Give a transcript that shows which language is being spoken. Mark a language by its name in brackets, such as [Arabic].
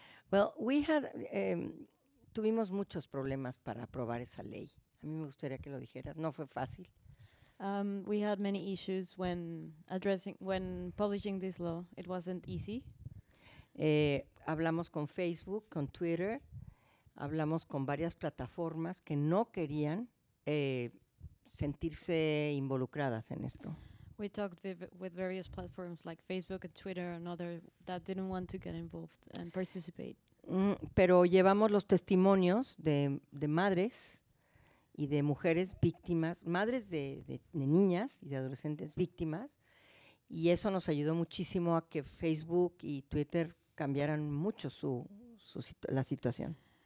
[English] Well, we had, [Spanish] tuvimos muchos problemas para aprobar esa ley. A mí me gustaría que lo dijeras. No fue fácil. [English] We had many issues when publishing this law. It wasn't easy. [Spanish] Hablamos con Facebook, con Twitter. Hablamos con varias plataformas que no querían sentirse involucradas en esto. [English] We talked with various platforms like Facebook and Twitter and others that didn't want to get involved and participate. [Spanish] Pero llevamos los testimonios de madres y de mujeres víctimas, madres de niñas y de adolescentes víctimas, y eso nos ayudó muchísimo a que Facebook y Twitter cambiaran mucho la situación.